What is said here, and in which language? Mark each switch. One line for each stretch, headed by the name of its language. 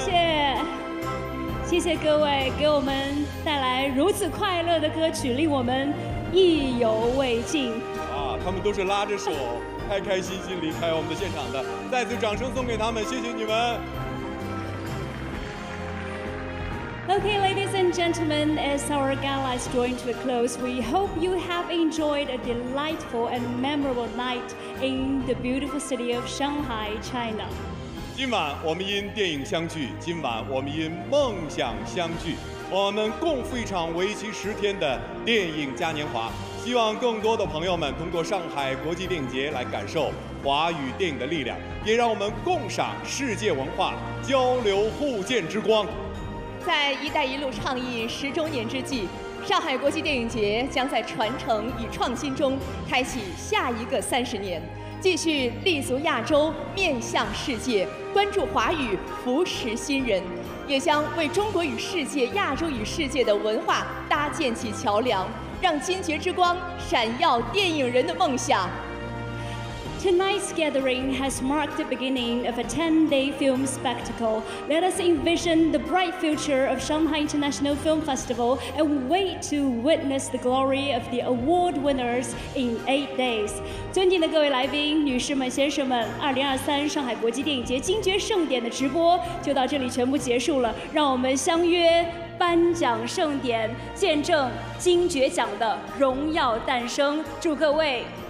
Chinese: 谢谢谢谢各位给我们带来如此快乐的歌曲，令我们意犹未尽啊！他们都是拉着手开开心心离开我们的现场的，再次掌声送给他们，谢谢你们。
English: OK ladies and gentlemen, as our gala is drawing to a close, we hope you have enjoyed a delightful and memorable night in the beautiful city of Shanghai, China.
Chinese: 今晚我们因电影相聚，今晚我们因梦想相聚，我们共赴一场为期10天的电影嘉年华。希望更多的朋友们通过上海国际电影节来感受华语电影的力量，也让我们共赏世界文化，交流互鉴之光。在一带一路倡议10周年之际，上海国际电影节将在传承与创新中开启下一个30年，继续立足亚洲，面向世界，关注华语，扶持新人，也将为中国与世界、亚洲与世界的文化搭建起桥梁，让金爵之光闪耀电影人的梦想。
English: Tonight's gathering has marked the beginning of a 10-day film spectacle. Let us envision the bright future of Shanghai International Film Festival and wait to witness the glory of the award winners in 8 days.
Chinese: 尊敬的各位来宾，女士们，先生们，2023上海国际电影节金爵盛典的直播就到这里全部结束了。让我们相约颁奖盛典，见证金爵奖的荣耀诞生。祝各位